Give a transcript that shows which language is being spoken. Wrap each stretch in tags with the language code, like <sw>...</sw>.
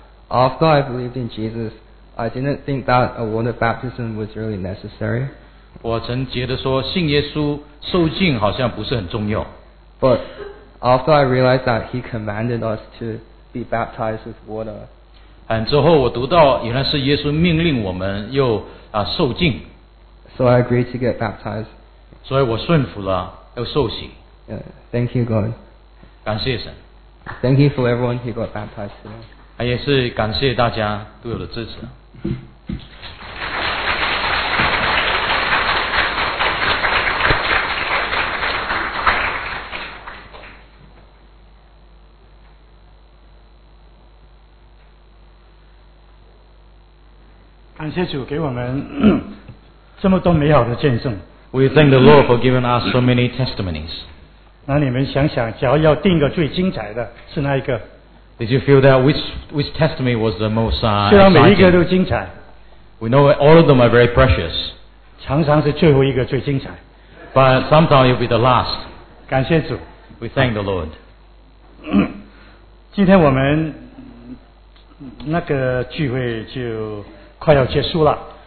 <en>After I believed in Jesus, I didn't think that a water baptism was really necessary.</en> <zh>我曾觉得说信耶稣受浸好像不是很重要。</zh> <en>But after I realized that he commanded us to be baptized with water.</en> <zh>之后我读到原来是耶稣命令我们又受浸。</zh> <en>So I agreed to get baptized.</en> <zh>所以我顺服了又受洗。</zh> <en>Yeah, thank you, God.</en> <zh>感谢神。</zh> <en>Thank you for everyone who got baptized today.</en> <zh>也是感谢大家对我的支持。感谢主给我们这么多美好的见证。</zh> <en>We thank the Lord for giving us so many testimonies.</en> <zh>那你们想想，只要要定个最精彩的是哪一个</zh> <en>？Did you feel that which testimony was the most exciting？</en> <zh>虽然每一个都精彩</zh> <en>，We know all of them are very precious。</en> <zh>常常是最后一个最精彩</zh> <en>，But sometimes it'll be the last。</en> <zh>感谢主</zh> <en>，We thank the Lord。</en> <zh>今天我们那个聚会就快要结束了。</zh>